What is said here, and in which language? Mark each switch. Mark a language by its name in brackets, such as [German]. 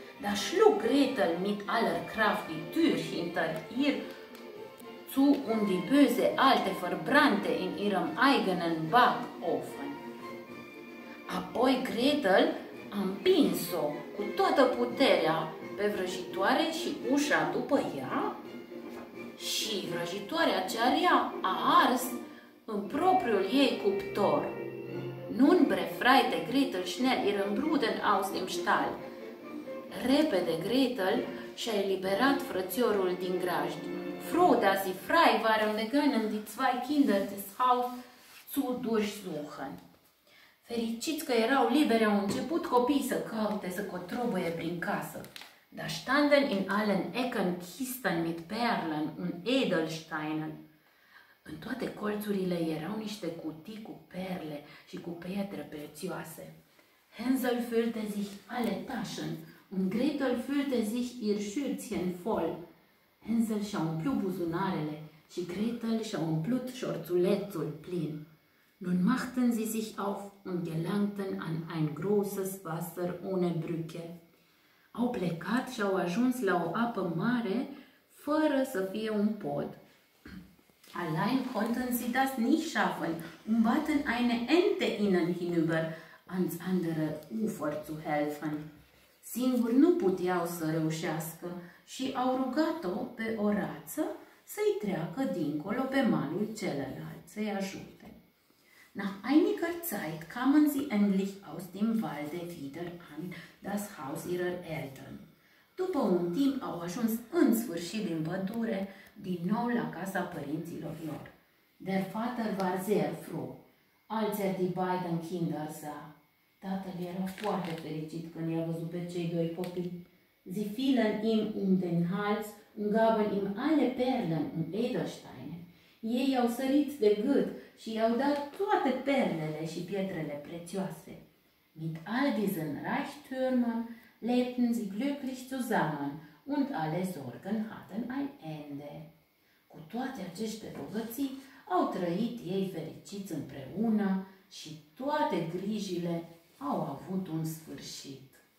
[German] Da schlug Gretel mit aller Kraft die Tür hinter ihr zu und die böse Alte verbrannte in ihrem eigenen Backofen. [Romanian] Apoi Gretel a împins-o cu toată puterea pe vrăjitoare și ușa după ea și vrăjitoarea cea rea a ars în propriul ei cuptor. [German] Nun befreite Gretel schnell ihren Bruder aus dem Stall. [Romanian] Repede Gretel și-a eliberat frățiorul din grajd. [German] Froh, dass sie frei waren begannen die zwei Kinder des Haus zu durchsuchen. [Romanian] Fericiți că erau liberi, au început copiii să caute, să cotrobuie prin casă. [German] Da standen in allen Ecken Kisten mit Perlen und Edelsteinen. [Romanian] În toate colțurile erau niște cutii cu perle și cu pietre prețioase. [German] Hänsel füllte sich alle Taschen und Gretel füllte sich ihr Schürzchen voll. [Romanian] Hänsel și-a umplut buzunarele și Gretel și-a umplut șorțulețul plin. [German] Nun machten sie sich auf und gelangten an ein großes Wasser ohne Brücke. [Romanian] Au plecat și-au ajuns la o apă mare fără să fie un pod. [German] Allein konnten sie das nicht schaffen und baten eine Ente ihnen hinüber ans andere Ufer zu helfen. [Romanian] Singur nu puteau să reușească și au rugat-o pe o rață să-i treacă dincolo pe malul celălalt, să-i ajute. [German] Nach einiger Zeit kamen sie endlich aus dem Walde wieder an das Haus ihrer Eltern. [Romanian] După un timp au ajuns în sfârșit din pădure din nou la casa părinților lor. [German] Der Vater war sehr froh, als die beiden Kinder sah. [Romanian] Tatăl era foarte fericit când i-a văzut pe cei doi copii. [German] Sie fielen ihm den Hals und gaben ihm alle Perlen und Edelsteine. [Romanian] Ei au sărit de gât și i-au dat toate perlele și pietrele prețioase. [German] Mit all diesen Reichtürmen lebten sie glücklich zusammen und alle Sorgen hatten ein Ende. [Romanian] Cu toate aceste bogății au trăit ei fericiți împreună și toate grijile au avut un sfârșit.